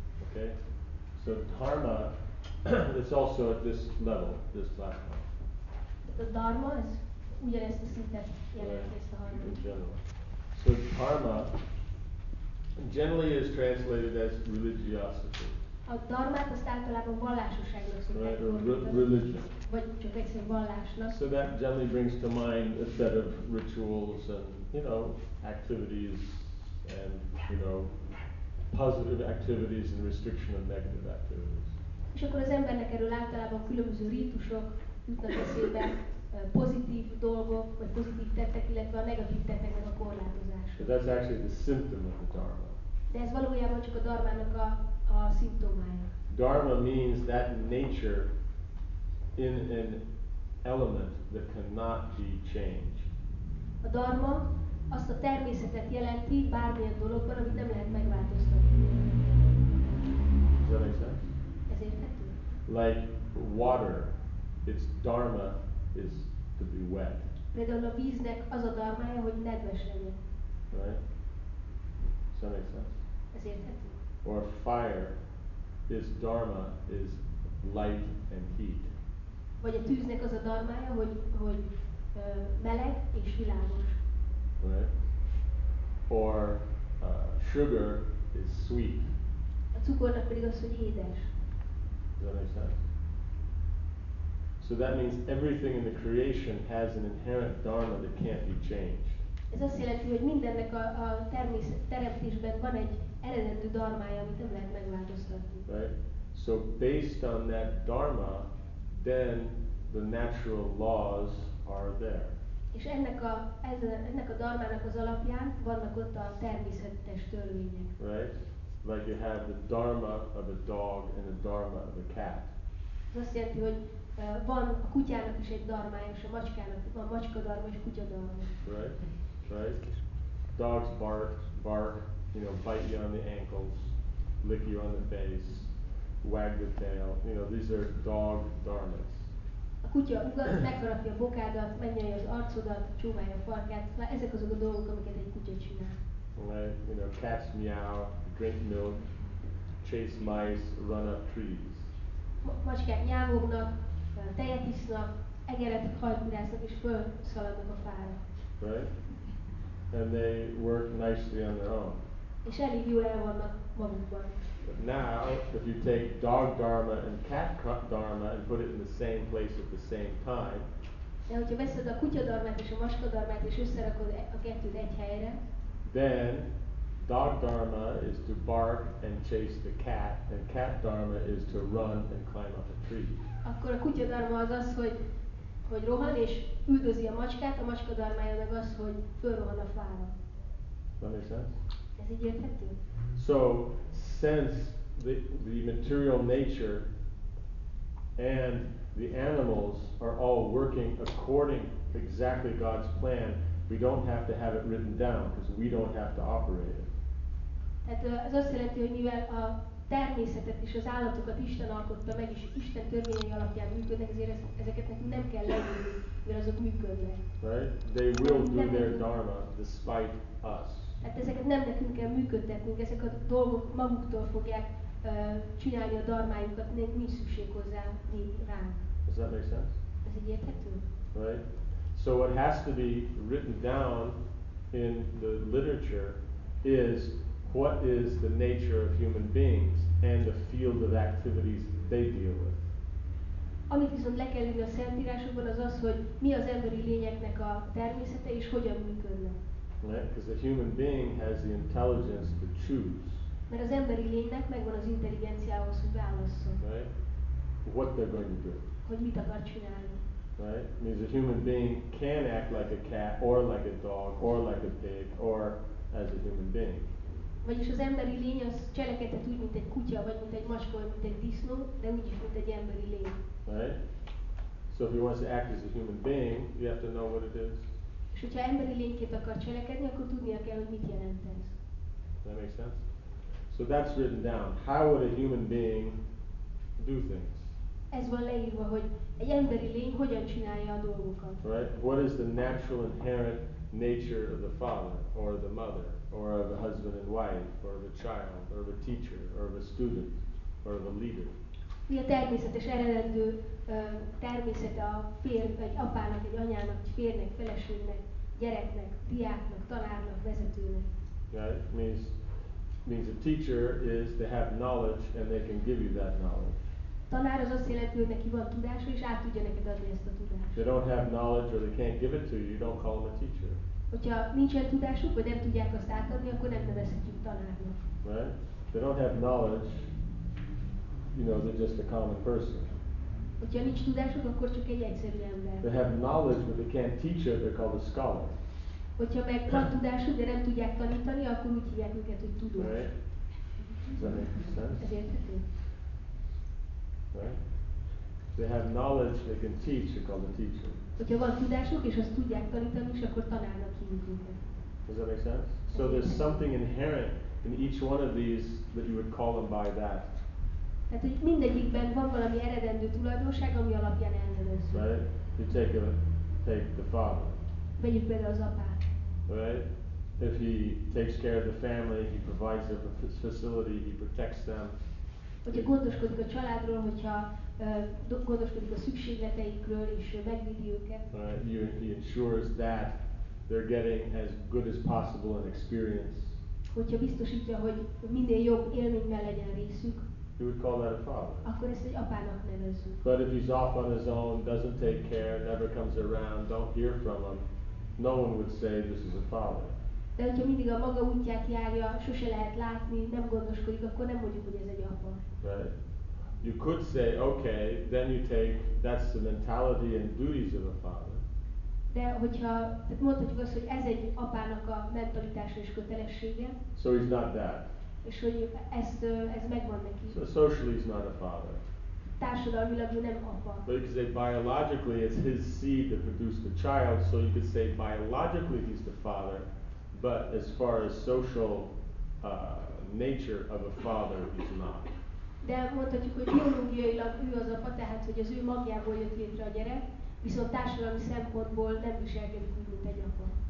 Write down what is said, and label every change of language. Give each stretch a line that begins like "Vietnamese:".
English: Okay, so dharma is also at this level, this platform. The dharma is
Hungarian: ugyanezt a szintet jelenti, ezt a harmadik.
English: So dharma generally is translated as religiosity.
Hungarian: A dharmát azt általában vallásosságnak szokták mondani.
English: Religion.
Hungarian: Vagy csak egyszerűen vallásnak.
English: So that generally brings to mind a set of rituals and, you know, activities and, you know, positive activities and restriction of negative activities.
Hungarian: És akkor az embernek erről általában különböző rítusok jutnak eszébe, pozitív dolgok, vagy pozitív tettek, illetve a negatív tetteknek a korlátozása.
English: That's actually the symptom of the dharma.
Hungarian: De ez valójában csak a dharmának a szimptomája.
English: Dharma means that nature in an element that cannot be changed.
Hungarian: A dharma azt a természetet jelenti bármilyen dologban, amit nem lehet megváltoztatni.
English: Does that make sense?
Hungarian: Ez érthető?
English: Like water, its dharma is to be wet.
Hungarian: Például a víznek az a dharmája, hogy nedves legyen.
English: Right? Does that make sense?
Hungarian: Ez érthető?
English: Or fire, its dharma is light and heat.
Hungarian: Vagy a tűznek az a dharmája, hogy meleg és világos.
English: Right? Or sugar is sweet.
Hungarian: A cukornak pedig az, hogy édes.
English: Does that make sense? So that means everything in the creation has an inherent dharma that can't be changed.
Hungarian: Ez azt jelenti, hogy mindennek a teremtésben van egy eredetű dharmája, amit nem lehet megváltoztatni.
English: Right? So based on that dharma, then the natural laws are there.
Hungarian: És ennek a dharmának az alapján vannak ott a természetes törvények.
English: Right? Like you have the dharma of a dog and the dharma of a cat.
Hungarian: Ez azt jelenti, hogy van a kutyának is egy dharmája, és a macskának van macska dharma és kutya dharma.
English: Right? Dogs bark, you know, bite you on the ankles, lick you on the face, wag the tail. You know, these are dog dharmas.
Hungarian: A kutya ugat, megharapja a bokádat, megnyeri az arcodat, csóválja a farkát. Na, ezek azok a dolgok, amiket egy kutya csinál.
English: Right? You know, cats meow, drink milk, chase mice, run up trees.
Hungarian: Macskák nyávognak, tejet isznak, egeret hajtudásznak és föl szaladnak a fára.
English: Right? And they work nicely on their own.
Hungarian: És elég jól el vannak magukban.
English: But now, if you take dog dharma and cat dharma and put it in the same place at the same time,
Hungarian: de hogyha veszed a kutya dharmát és a macska dharmát és összerakod a kettőt egy helyre,
English: then dog dharma is to bark and chase the cat, and cat dharma is to run and climb up a tree.
Hungarian: Akkor a kutya dharma az az, hogy rohan és üldözi a macskát, a macska dharmája meg az, hogy fölrohan a fára.
English: That makes sense?
Hungarian: Ez így érthető?
English: So, since the material nature and the animals are all working according exactly God's plan, we don't have to have it written down because we don't have to operate it.
Hungarian: Tehát ez azt jelenti, hogy mivel a természetet és az állatokat Isten alkotta meg, és Isten törvényei alapján működnek, ezért ezeket nekünk nem kell leírni, mert azok működnek.
English: Right? They will do their dharma despite us.
Hungarian: Hát ezeket nem nekünk kell működtetnünk, ezek a dolgok maguktól fogják csinálni a dharmájukat, nincs szükség hozzá ránk.
English: Does that make sense?
Hungarian: Ez így érthető?
English: Right. So what has to be written down in the literature is what is the nature of human beings and the field of activities they deal with.
Hungarian: Amit viszont le kell írni a szentírásokban az az, hogy mi az emberi lényeknek a természete és hogyan működnek.
English: Because a human being has the intelligence to choose.
Hungarian: Mert az emberi lénynek megvan az intelligenciához, hogy válasszon.
English: Right? What they're going to do.
Hungarian: Hogy mit akar csinálni.
English: Right? Means a human being can act like a cat, or like a dog, or like a pig, or as a human being.
Hungarian: Vagyis az emberi lény az cselekedhet úgy, mint egy kutya, vagy mint egy macska, mint egy disznó, de úgyis, mint egy emberi lény.
English: Right? So if he wants to act as a human being, you have to know what it is.
Hungarian: És hogyha emberi lényként akar cselekedni, akkor tudnia kell, hogy mit jelent ez.
English: That makes sense? So that's written down. How would a human being do things?
Hungarian: Ez van leírva, hogy egy emberi lény hogyan csinálja a dolgokat.
English: Right? What is the natural inherent nature of the father, or the mother, or of a husband and wife, or of a child, or of a teacher, or of a student, or of a leader?
Hungarian: Mi a természetes eredendő természete a férj, egy apának, egy anyának, egy férnek, feleségnek, gyereknek, diáknak, tanárnak, vezetőnek.
English: Right? Means a teacher is to have knowledge and they can give you that knowledge.
Hungarian: Tanár az azt jelenti, hogy neki van tudása és át tudja neked adni ezt a tudást.
English: If they don't have knowledge or they can't give it to you, you don't call them a teacher.
Hungarian: Hogyha nincsen tudásuk, vagy nem tudják azt átadni, akkor nem nevezhetjük tanárnak.
English: Right? If they don't have knowledge, you know, they're just a common person.
Hungarian: Hogyha nincs tudásuk, akkor csak egy egyszerű ember.
English: They have knowledge, but they can't teach it, they're called a scholar.
Hungarian: Hogyha meg van tudásuk, de nem tudják tanítani, akkor úgy hívják őket, hogy tudós.
English: Right? Does that make sense?
Hungarian: Ez érthető.
English: Right? They have knowledge, they can teach, they're called a teacher.
Hungarian: Hogyha van tudásuk, és azt tudják tanítani, és akkor tanárnak hívjuk őket.
English: Does that make sense? So there's something inherent in each one of these that you would call them by that.
Hungarian: Tehát, hogy mindegyikben van valami eredendő tulajdonság, ami alapján elnevezhető.
English: Right? You take the father.
Hungarian: Vegyük bele az apát.
English: Right? If he takes care of the family, he provides a facility, he protects them.
Hungarian: Hogyha gondoskodik a családról, hogyha gondoskodik a szükségleteikről, és megvédi őket.
English: Right? He ensures that they're getting as good as possible an experience.
Hungarian: Hogyha biztosítja, hogy minden jobb élményben legyen részük.
English: You would call that a father.
Hungarian: Akkor ezt egy apának nevezzük.
English: But if he's off on his own, doesn't take care, never comes around, don't hear from him, no one would say this is a father.
Hungarian: De hogyha mindig a maga útját járja, sose lehet látni, nem gondoskodik, akkor nem mondjuk, hogy ez egy apa.
English: Right. You could say, okay, then you take, that's the mentality and duties of a father.
Hungarian: De hogyha, tehát mondhatjuk azt, hogy ez egy apának a mentalitása és kötelessége.
English: So he's not that.
Hungarian: És hogy ez megvan neki.
English: So socially he's not a father.
Hungarian: Társadalmilag ő nem apa.
English: But you could say biologically it's his seed that produced the child, so you could say biologically he's the father, but as far as social nature of a father, he's not.
Hungarian: De mondhatjuk, hogy biológiailag ő az apa, tehát hogy az ő magjából jött létre a gyerek, viszont társadalmi szempontból nem viselkedik úgy, mint egy apa.